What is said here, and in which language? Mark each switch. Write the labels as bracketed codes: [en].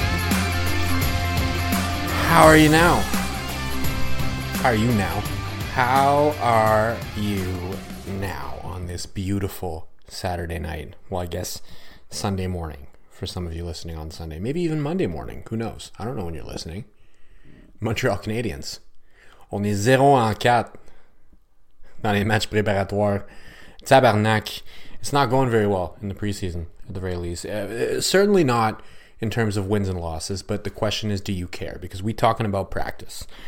[en] How are you now? Are you now? How are you now on this beautiful Saturday night? Well, I guess Sunday morning for some of you listening on Sunday. Maybe even Monday morning. Who knows? I don't know when you're listening. Montreal Canadiens. [fr] On est 0-4 dans les matchs préparatoires. Tabarnak. [en] It's not going very well in the preseason, at the very least. Certainly not in terms of wins and losses, but the question is, do you care? Because we talking about practice.